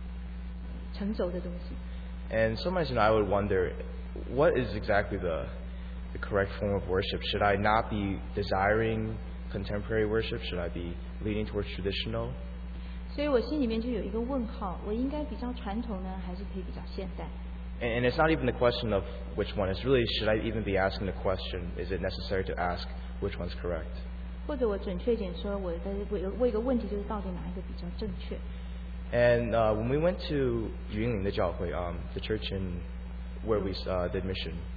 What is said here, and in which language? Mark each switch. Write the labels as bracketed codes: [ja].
[zh] 但是年纪比我们大的通常都比较喜欢传统啊，一些比较成熟的东西。 [en] And sometimes, you know, I would wonder, what is exactly the correct form of worship? Should I not be desiring contemporary worship? Should I be leaning towards traditional? [zh] 所以我心里面就有一个问号，我应该比较传统呢，还是可以比较现代？ [en] And it's not even the question of which one. It's really, should I even be asking the question? Is it necessary to ask which one's correct? [zh] 或者我准确点说，我的问题就是到底哪一个比较正确？ [en] And when we went to Yuling the Jiaohui, the church in where we did mission.